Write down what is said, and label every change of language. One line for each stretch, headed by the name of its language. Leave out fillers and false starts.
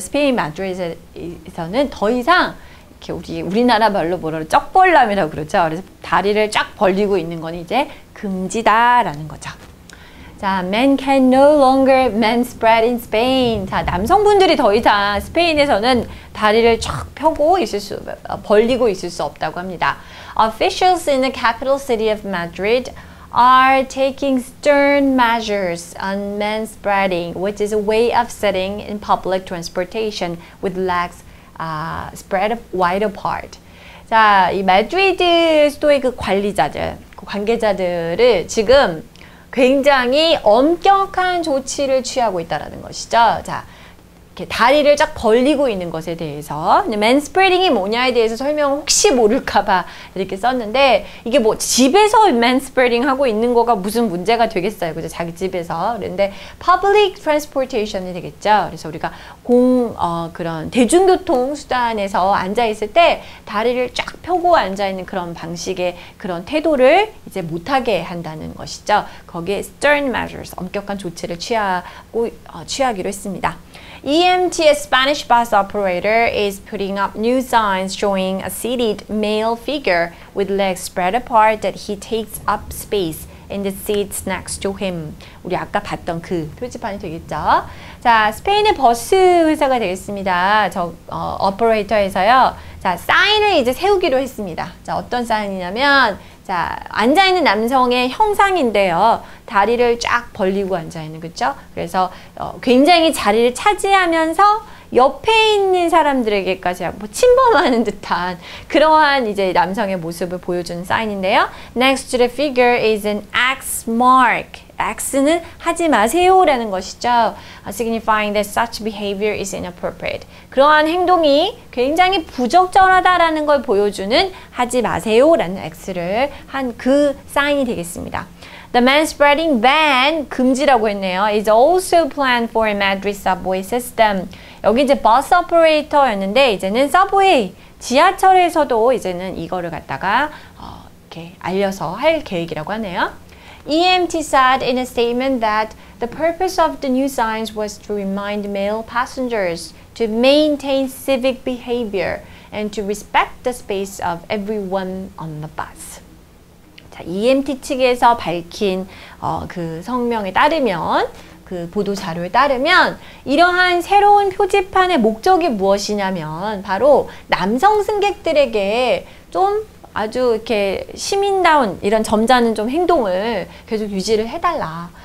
Korean: 스페인 마드리드에서는 더 이상 이렇게 우리나라 말로 뭐라고 쩍벌람이라고 그러죠. 그래서 다리를 쫙 벌리고 있는 건 이제 금지다라는 거죠. 자,
English: men can no longer manspread in Spain.
Korean: 자, 남성분들이 더 이상 스페인에서는 다리를 쫙 펴고 있을 수, 벌리고 있을 수 없다고 합니다.
English: Officials in the capital city of Madrid are taking stern measures on manspreading, which is a way of sitting in public transportation with legs spread wide apart.
Korean: 자, 이 마드리드 수도의 그 관리자들, 그 관계자들을 지금 굉장히 엄격한 조치를 취하고 있다는 것이죠. 자, 이렇게 다리를 쫙 벌리고 있는 것에 대해서 manspreading이 뭐냐에 대해서 설명을 혹시 모를까봐 이렇게 썼는데 이게 뭐 집에서 manspreading 하고 있는 거가 무슨 문제가 되겠어요. 그죠? 자기 집에서. 그런데
English: public transportation
Korean: 이 되겠죠. 그래서 우리가 그런 대중교통 수단에서 앉아있을 때 다리를 쫙 펴고 앉아있는 그런 방식의 그런 태도를 이제 못하게 한다는 것이죠. 거기에
English: stern measures,
Korean: 엄격한 조치를 취하기로 했습니다.
English: EMT, a Spanish bus operator, is putting up new signs showing a seated male figure with legs spread apart that he takes up space in the seats next to him.
Korean: 우리 아까 봤던 그 표지판이 되겠죠. 자, 스페인의 버스 회사가 되겠습니다. 저 오퍼레이터에서요. 자, 사인을 이제 세우기로 했습니다. 자, 어떤 사인이냐면 자, 앉아 있는 남성의 형상인데요. 다리를 쫙 벌리고 앉아 있는 거죠. 그래서 굉장히 자리를 차지하면서 옆에 있는 사람들에게까지 뭐 침범하는 듯한 그러한 이제 남성의 모습을 보여주는 사인인데요.
English: Next to the figure is an X mark.
Korean: X는 하지 마세요라는 것이죠.
English: Signifying that such behavior is inappropriate.
Korean: 그러한 행동이 굉장히 부적절하다라는 걸 보여주는 하지 마세요라는 X를 한 그 사인이 되겠습니다.
English: The manspreading ban,
Korean: 금지라고 했네요,
English: is also planned for a Madrid subway system.
Korean: 여기 이제 버스 오퍼레이터였는데 이제는 서브웨이, 지하철에서도 이제는 이거를 갖다가 이렇게 알려서 할 계획이라고 하네요.
English: EMT said in a statement that the purpose of the new signs was to remind male passengers to maintain civic behavior and to respect the space of everyone on the bus.
Korean: EMT 측에서 밝힌 그 성명에 따르면 그 보도 자료에 따르면 이러한 새로운 표지판의 목적이 무엇이냐면 바로 남성 승객들에게 좀 아주 이렇게 시민다운 이런 점잖은 좀 행동을 계속 유지를 해달라.